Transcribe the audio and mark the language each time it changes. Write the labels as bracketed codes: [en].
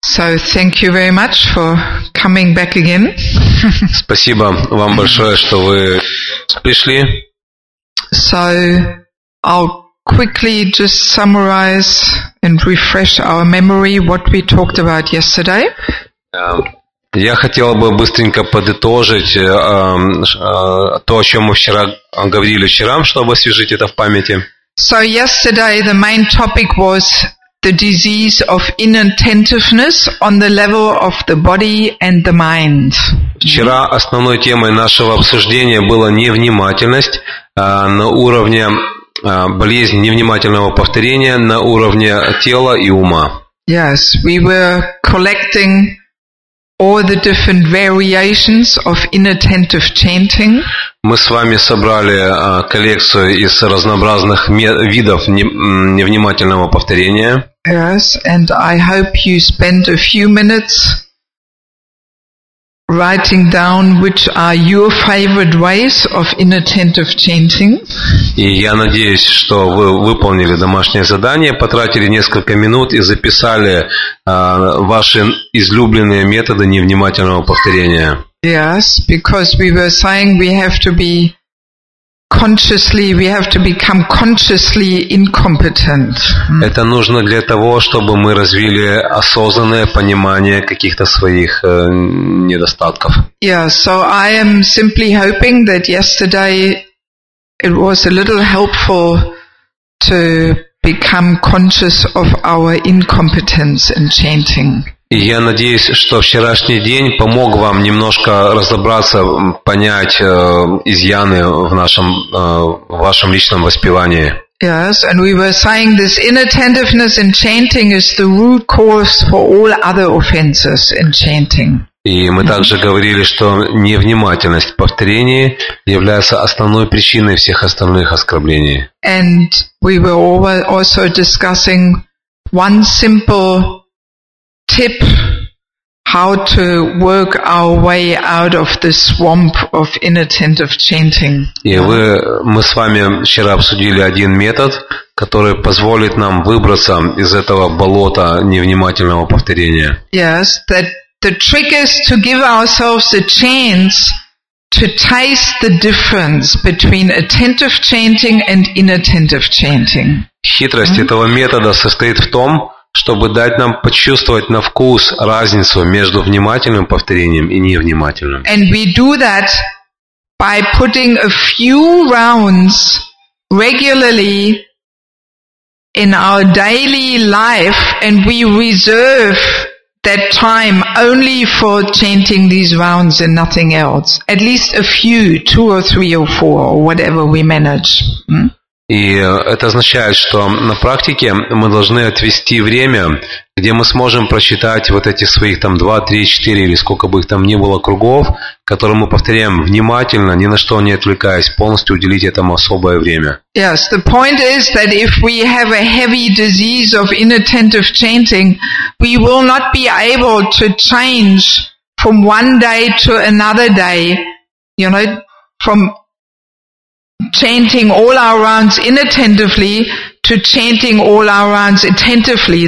[en] So thank you very much for coming back again. [ru] Спасибо вам большое, что вы пришли. [en] So I'll quickly just summarize and refresh our memory what we talked about yesterday. [ru] Я хотел бы быстренько подытожить то, о чем мы вчера говорили вчера, чтобы освежить это в памяти. [en] So yesterday the main topic was the disease of inattentiveness on the level of the body and the mind. [ru] Вчера основной темой нашего обсуждения была невнимательность на уровне болезни невнимательного повторения на уровне тела и ума. [en] Yes, we were collecting all the different variations of inattentive chanting. [ru] Мы с вами собрали коллекцию из разнообразных видов невнимательного повторения. [en] Yes, and I hope you spend a few minutes writing down which are your favorite ways of inattentive chanting. [ru] И я надеюсь, что вы выполнили домашнее задание, потратили несколько минут и записали ваши излюбленные методы невнимательного повторения. [en] Yes, because we were saying we have to be consciously, we have to become consciously incompetent. [ru] Это нужно для того, чтобы мы развили осознанное понимание каких-то своих недостатков. [en] Yeah, so I am simply hoping that yesterday it was a little helpful to become conscious of our incompetence in chanting. [ru] И я надеюсь, что вчерашний день помог вам немножко разобраться, понять изъяны в нашем вашем личном воспевании. [en] Yes, and we were saying this inattentiveness in chanting is the root cause for all other offenses in chanting. [ru] И мы также говорили, что невнимательность в повторении является основной причиной всех остальных оскорблений. [en] And we were also discussing one simple tip how to work our way out of the swamp of inattentive chanting. [ru] Мы с вами вчера обсудили один метод, который позволит нам выбраться из этого болота невнимательного повторения. [en] Yes, that the trick is to give ourselves a chance to taste the difference between attentive chanting and inattentive chanting. [ru] Хитрость этого метода состоит в том, чтобы дать нам почувствовать на вкус разницу между внимательным повторением и невнимательным. [en] And we do that by putting a few rounds regularly in our daily life, and we reserve that time only for chanting these rounds and nothing else. At least a few, two or three or four, or whatever we manage. [ru] И это означает, что на практике мы должны отвести время, где мы сможем прочитать вот эти своих там 2, 3, 4 или сколько бы их там ни было кругов, которые мы повторяем внимательно, ни на что не отвлекаясь, полностью уделить этому особое время. [en] Yes, the point is that if we have a heavy disease of inattentive chanting, we will not be able to change from one day to another day, you know, from chanting all our rounds inattentively to chanting all our rounds attentively.